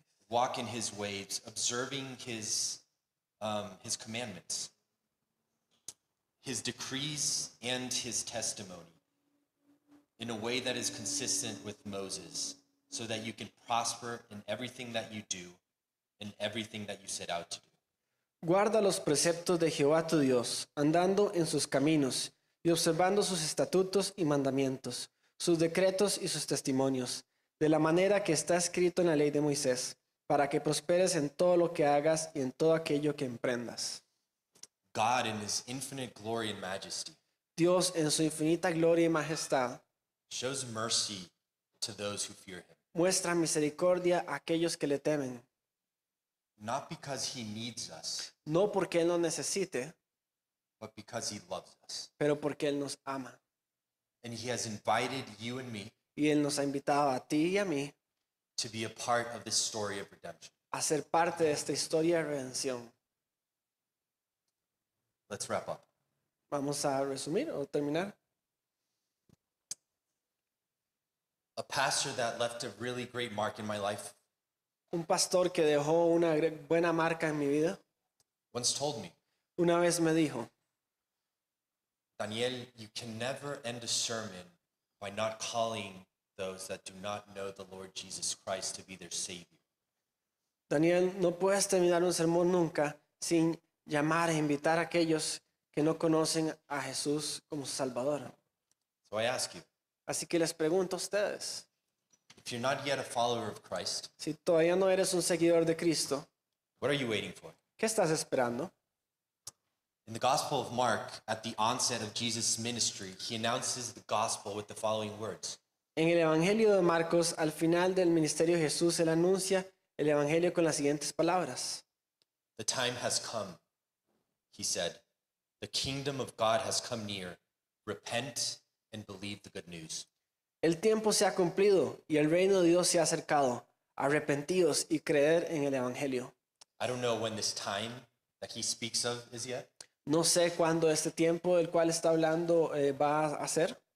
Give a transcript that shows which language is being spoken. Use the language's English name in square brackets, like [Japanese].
[English] walk in his ways, observing his commandments, his decrees and his testimony in a way that is consistent with Moses, so that you can prosper in everything that you do and everything that you set out to do. [Spanish] Guarda los preceptos de Jehová tu Dios, andando en sus caminos y observando sus estatutos y mandamientos, sus decretos y sus testimonios, de la manera que está escrito en la ley de Moisés, para que prosperes en todo lo que hagas y en todo aquello que emprendas. [English] God in his infinite glory and majesty, [Spanish] Dios en su infinita gloria y majestad, [English] shows mercy to those who fear him. [Spanish] Muestra misericordia a aquellos que le temen. [English] Not because he needs us. [Spanish] No porque él nos necesite. [English] But because he loves us. [Spanish] Pero porque él nos ama. [English] And he has invited you and me. [Spanish] Y él nos ha invitado a ti y a mí. [English] To be a part of this story of redemption. [Spanish] A ser parte de esta historia de redención. [English] Let's wrap up. [Spanish] Vamos a resumir o terminar. [English] A pastor that left a really great mark in my life. [Spanish] Un pastor que dejó una buena marca en mi vida. [English] Once told me. [Spanish] Una vez me dijo. [English] Daniel, you can never end a sermon by not calling those that do not know the Lord Jesus Christ to be their savior. [Spanish] Daniel, no puedes terminar un sermón nunca sin llamar e invitar a aquellos que no conocen a Jesús como su salvador. [English] So I ask you. [Spanish] Así que les pregunto a ustedes. [English] If you're not yet a follower of Christ, [Spanish] si todavía no eres un seguidor de Cristo, [English] what are you waiting for? [Spanish] ¿Qué estás esperando? [English] In the Gospel of Mark, at the onset of Jesus' ministry, he announces the gospel with the following words. [Spanish] En el Evangelio de Marcos, al final del ministerio de Jesús, él anuncia el Evangelio con las siguientes palabras. [English] The time has come, he said. The kingdom of God has come near. Repent and believe the good news. [Spanish] El tiempo se ha cumplido y el reino de Dios se ha acercado. Arrepentíos y creed en el Evangelio. [English] I don't know when this time that he speaks of is yet. [Spanish] No sé cuándo este tiempo del cual está hablando va a ser.